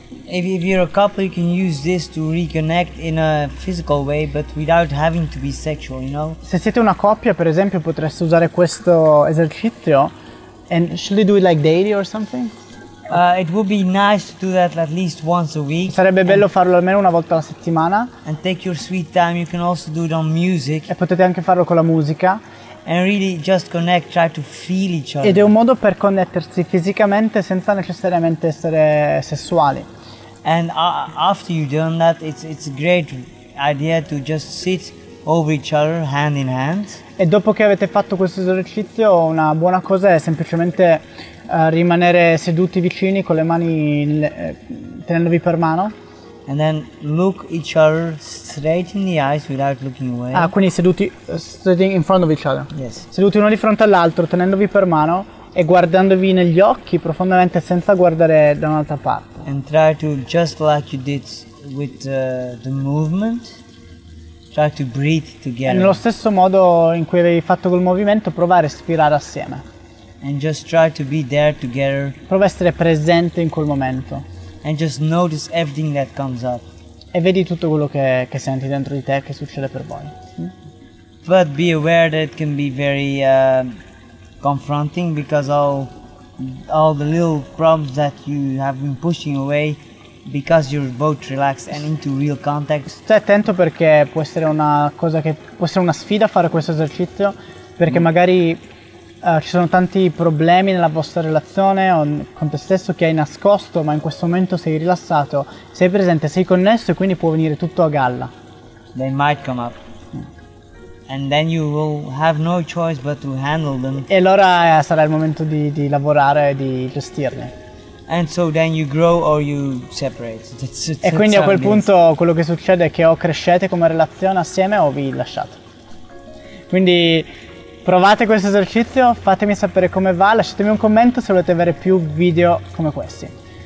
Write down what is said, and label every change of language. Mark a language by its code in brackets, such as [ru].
[en] If you're a couple, you can use this to reconnect in a physical way, but without having to be sexual, you know? [it] Se siete una coppia, per esempio, potreste usare questo esercizio. [en] And should they do it like daily or something? It would be nice to do that at least once a week. [it] Sarebbe bello farlo almeno una volta alla settimana. [en] And take your sweet time, you can also do it on music. [it] E potete anche farlo con la musica. [en] And really just connect, try to feel each other. [it] Ed è un modo per connettersi fisicamente senza necessariamente essere sessuali. [en] And after you've done that, it's a great idea to just sit over each other, hand in hand. [it] E dopo che avete fatto questo esercizio, una buona cosa è semplicemente rimanere seduti vicini con le mani tenendovi per mano. [en] And then look each other straight in the eyes without looking away. [it] Ah, quindi seduti, [en] sitting in front of each other. Yes. [it] Seduti uno di fronte all'altro, tenendovi per mano e guardandovi negli occhi profondamente senza guardare da un'altra parte. [en] And try to, just like you did with the movement, try to breathe together. [it] Nello stesso modo in cui avevi fatto col movimento, prova a respirare assieme. [en] And just try to be there together. [it] Prova a essere presente in quel momento. [en] And just notice everything that comes up. [it] E vedi tutto quello che senti dentro di te, che succede per voi. [en] But be aware that it can be very confronting, because all the little problems that you have been pushing away because you're both relaxed and into real contact. [it] Stai attento perché può essere una cosa che può essere una sfida fare questo esercizio, perché magari ci sono tanti problemi nella vostra relazione o con te stesso che hai nascosto, ma in questo momento sei rilassato, sei presente, sei connesso, e quindi può venire tutto a galla. [en] They might come up. And then you will have no choice but to handle them. [it] E allora sarà il momento di lavorare e di gestirle. [en] And so then you grow or you separate. [it] E quindi a quel punto quello che succede è che o crescete come relazione assieme o vi lasciate. Quindi provate questo esercizio, fatemi sapere come va, lasciatemi un commento se volete avere più video come questi.